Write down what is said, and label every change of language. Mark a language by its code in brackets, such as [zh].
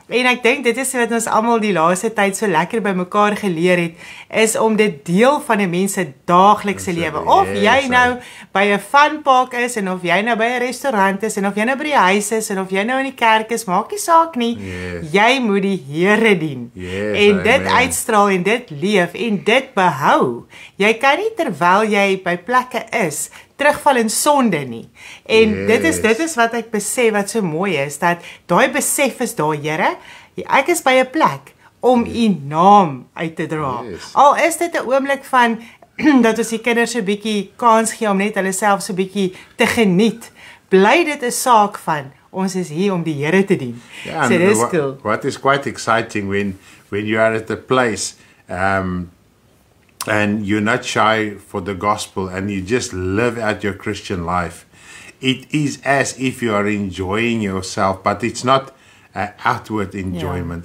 [af] En ek denk, dit is wat ons allemaal die laaste tyd so lekker by mekaar geleer het, is om dit deel van die mense daaglikse lewe, of jy nou by 'n funpark is, en en of jy nou by 'n restaurant is en of jy nou by die huis is en of jy nou in die kerk is, maak nie saak nie. Yes. Jy moet die Here dien. Yes, en dit amen. Uitstraal en dit leef en dit behou. Jy kan nie terwyl jy by plekke is terugval in sonde nie. En yes. dit is wat ek besef wat so mooi is, dat daai besef is daar, Here, ek is by 'n plek om U naam uit te dra. Yes. Al is dit 'n oomblik van dat ons die kinders so bietjie kans gee om net hulle self so bietjie te geniet. Bly dit 'n saak van ons is hier om die Here te dien. [en] Yeah, so dis cool. What is quite exciting when you are at a place and you're not shy for the gospel and you just live out your Christian life. It is as if you are enjoying yourself, but it's not an outward enjoyment.